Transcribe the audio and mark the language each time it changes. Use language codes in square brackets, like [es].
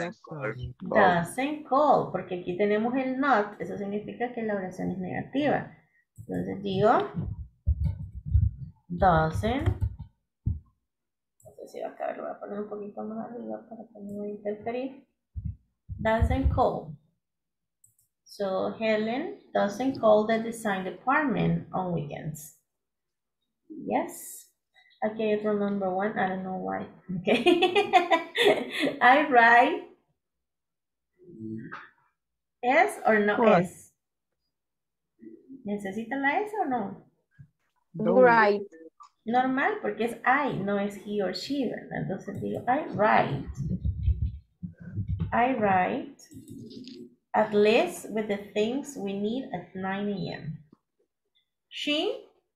[en] Doesn't call. [es] Porque aquí tenemos el not. Eso significa que la oración es negativa. Entonces digo. Doesn't. Si va a acabar, lo voy a poner un poquito más arriba para que no me interferir. [en] Doesn't call. So Helen doesn't call the design department on weekends. Yes. [es] Aquí hay otro [en] number one. I don't know why. Okay. I write S or no S. [es] ¿Necesita la S o no? [en] Write. [es] Normal, porque es I, no es he or she, ¿verdad? Entonces digo, [en] I write at least with the things we need at 9 a.m. She